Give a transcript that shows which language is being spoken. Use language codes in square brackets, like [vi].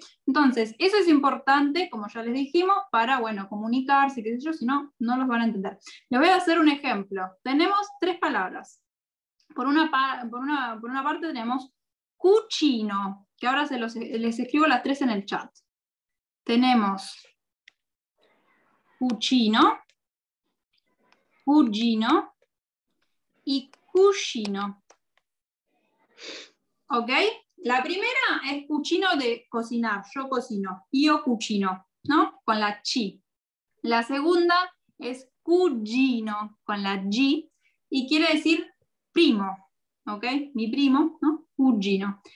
[es] Entonces, eso es importante, como ya les dijimos, para, bueno, comunicarse, qué sé yo, si no, no los van a entender. Les voy a hacer un ejemplo. Tenemos tres palabras. Por una parte tenemos cuchino, que ahora les escribo las tres en el chat. Tenemos cucino, cugino y cucino. ¿Ok? La primera es cucino de cocinar. Yo cocino. [it] Io cucino, [es] ¿no? Con la chi. La segunda es cugino, con la g, y quiere decir primo. ¿Ok? Mi primo, ¿no? Cugino.